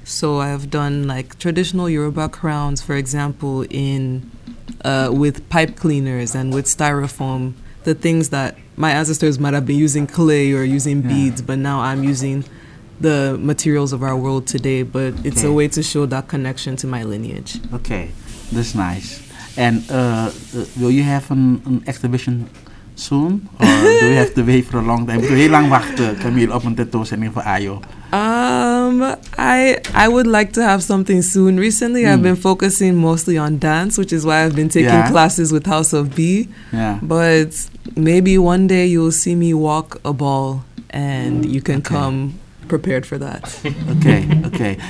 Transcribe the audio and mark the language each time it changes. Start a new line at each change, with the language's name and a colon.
English: So I've done like traditional Yoruba crowns, for example, in with pipe cleaners and with styrofoam, the things that my ancestors might have been using clay or using beads, but now I'm using the materials of our world today, but it's a way to show that connection to my lineage. Okay, that's nice. And will you have an exhibition soon? Or do you have to wait for a long time? Do you
Dutch: heel lang wachten, Camille, op een tentoonstelling van Ayo?
English: I would like to have something soon. Recently, I've been focusing mostly on dance, which is why I've been taking classes with House of B. Yeah. But maybe one day you'll see me walk a ball and you can come prepared for that. Okay.